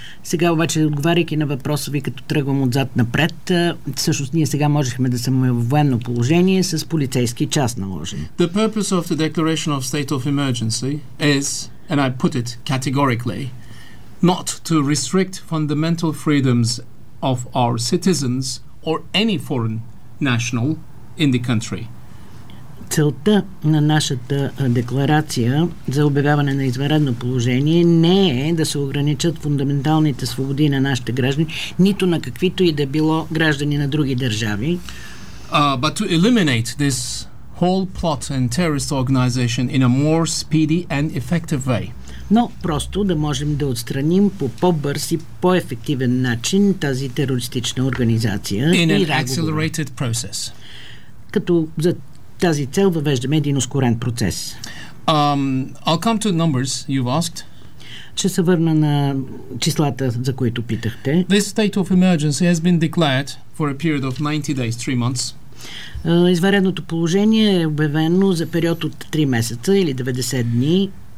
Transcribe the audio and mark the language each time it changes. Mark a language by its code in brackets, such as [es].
[bg] Сега обаче, отговаряйки на въпроса ви, като тръгвам отзад напред, всъщност ние сега можехме да сме в военно положение с полицейски час наложен. [en] The purpose of the declaration of state of emergency is, and I put it categorically, not to restrict fundamental freedoms of our citizens or any foreign national in the country. [bg] Целта на нашата декларация за обявяване на извънредно положение не е да се ограничат фундаменталните свободи на нашите граждани, нито на каквито и да било граждани на други държави. [en] But to eliminate this whole plot and terrorist organization in a more speedy and effective way. [bg] Но просто да можем да отстраним по по-бърз и по-ефективен начин тази терористична организация [en] in an accelerated process. [bg] Като за тази цел въвеждаме един ускорен процес. [en] I'll come to the numbers you've asked. [bg] Ще се върна на числата, за които питахте. [en] This state of emergency has been declared for a period of 90 days, 3 months. [bg] Извънредното положение е обявено за период от 3 месеца или 90 дни.